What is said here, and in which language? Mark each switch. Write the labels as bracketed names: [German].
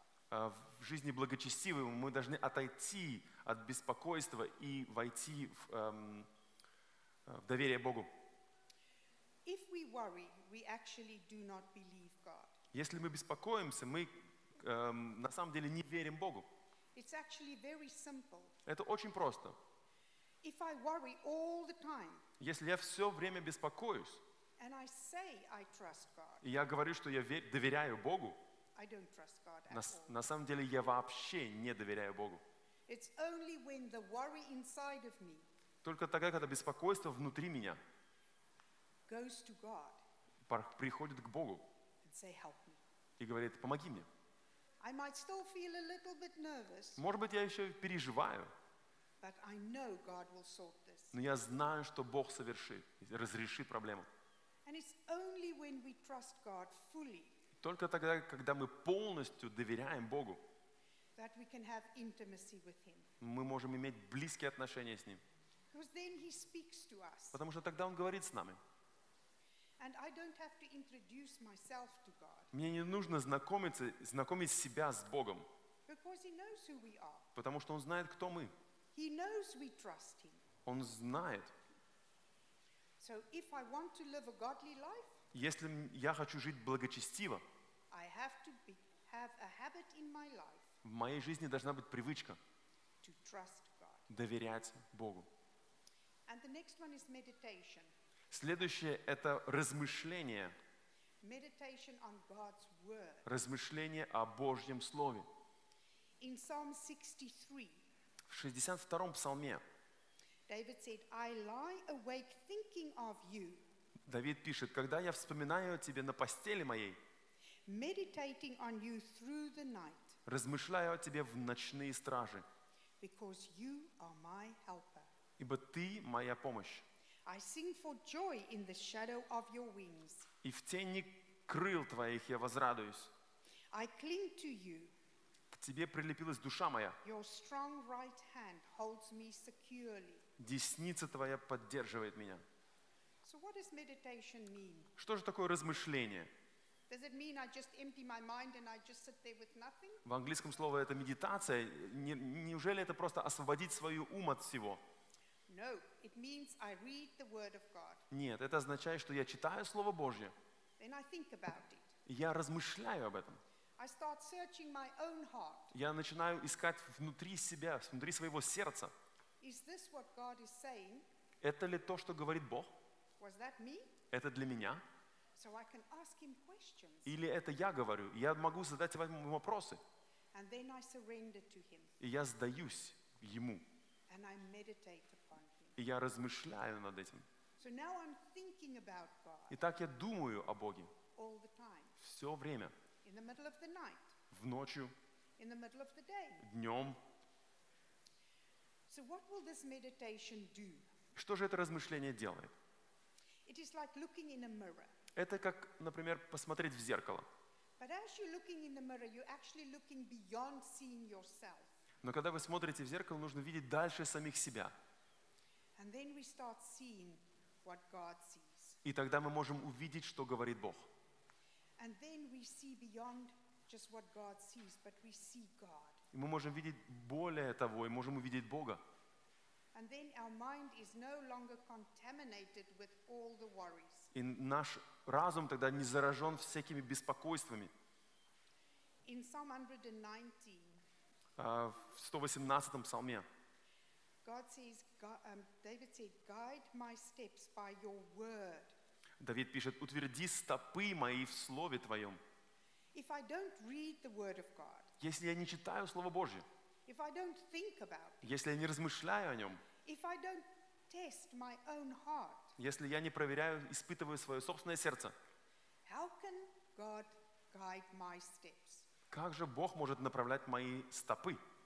[Russian] В жизни благочестивой мы должны отойти от беспокойства и войти в доверие Богу. [English] If we worry, we actually do not believe God. [Russian] Если мы беспокоимся, мы на самом деле не верим Богу. [English] It's actually very simple. [Russian] Это очень просто. [English] If I worry all the time, [Russian] если я все время беспокоюсь, [English] and I say I trust God, [Russian] и я говорю, что я доверяю Богу, [English] I don't trust God at all. [Russian] На самом деле я вообще не доверяю Богу. [English] It's only when the worry inside of me [Russian] только тогда, когда беспокойство внутри меня [English] goes to God, [Russian] приходит к Богу [English] and say, help me. [Russian] И говорит, помоги мне. [English] I might still feel a little bit nervous, [Russian] может быть, я еще переживаю, [English] but I know God will sort this. [Russian] Но я знаю, что Бог совершит, разрешит проблему. [English] And it's only when we trust God fully, [Russian] только тогда, когда мы полностью доверяем Богу, [English] that we can have intimacy with him. [Russian] Мы можем иметь близкие отношения с Ним. [English] Because then he speaks to us. [Russian] Потому что тогда Он говорит с нами. [English] And I don't have to introduce myself to God. [Russian] Мне не нужно знакомить себя с Богом. [English] Because he knows who we are. [Russian] Потому что Он знает, кто мы. [English] He knows we trust him. [Russian] Он знает. [English] So if I want to live a godly life, [Russian] если я хочу жить благочестиво, [English] I have to have a habit in my life, [Russian] в моей жизни должна быть привычка [English] to trust God. [Russian] Доверять Богу. [English] And the next one is meditation. [Russian] Следующее – это размышление. [English] Meditation on God's word. [Russian] Размышление о Божьем Слове. [English] In Psalm 63, [Russian] в 62-м псалме [English] David said, I lie awake thinking of you. [Russian] Давид пишет, когда я вспоминаю о тебе на постели моей, [English] meditating on you through the night, [Russian] размышляю о тебе в ночные стражи, [English] because you are my helper. [Russian] Ибо ты моя помощь. [English] I sing for joy in the shadow of your wings. [Russian] И в тени крыл твоих я возрадуюсь. [English] I cling to you. [Russian] К тебе прилепилась душа моя. [English] Your strong right hand holds me securely. [Russian] Десница твоя поддерживает меня. [English] So what does meditation mean? [Russian] Что же такое размышление? [English] Does it mean I just empty my mind and I just sit there with nothing? [Russian] В английском слове это медитация. Неужели это просто освободить свой ум от всего? [English] No, it means I read the word of God. [Russian] Нет, это означает, что я читаю Слово Божье. [English] Then I think about it. [Russian] Я размышляю об этом. [English] I start searching my own heart. [Russian] Я начинаю искать внутри себя, внутри своего сердца. [English] Is this what God is saying? [Russian] Это ли то, что говорит Бог? [English] Was that me? [Russian] Это для меня? [English] So I can ask him questions. [Russian] Или это я говорю? Я могу задать вам вопросы. [English] And then I surrender to him. [Russian] И я сдаюсь ему. [English] And I meditate upon him. [Russian] И я размышляю над этим. [English] So now I'm thinking about God. [Russian] Итак, я думаю о Боге. [English] All the time. [Russian] Все время. [English] In the middle of the night. [Russian] В ночью. [English] In the middle of the day. [Russian] Днем. [English] So what will this meditation do? [Russian] Что же это размышление делает? [English] It is like looking in a mirror. [Russian] Это как, например, посмотреть в зеркало. [English] But as you're looking in the mirror, you're actually looking beyond seeing yourself. [Russian] Но когда вы смотрите в зеркало, нужно видеть дальше самих себя. [English] And then we start seeing what God sees. [Russian] И тогда мы можем увидеть, что говорит Бог. [English] And then we see beyond just what God sees, but we see God. [Russian] И мы можем видеть более того, и можем увидеть Бога. [English] And then our mind is no longer contaminated with all the worries. [Russian] И наш разум тогда не заражен всякими беспокойствами. [English] In Psalm 119, [Russian] в 118-м псалме [English] God says, David said, guide my steps by your word. [Russian] Давид пишет, утверди стопы мои в Слове Твоем. [English] If I don't read the word of God, [Russian] если я не читаю Слово Божье, [English] if I don't think about it, [Russian] если я не размышляю о Нем, [English] if I don't test my own heart, [Russian] если я не проверяю, испытываю свое собственное сердце, [English] how can God guide my steps? [Russian] Как же Бог может направлять мои стопы?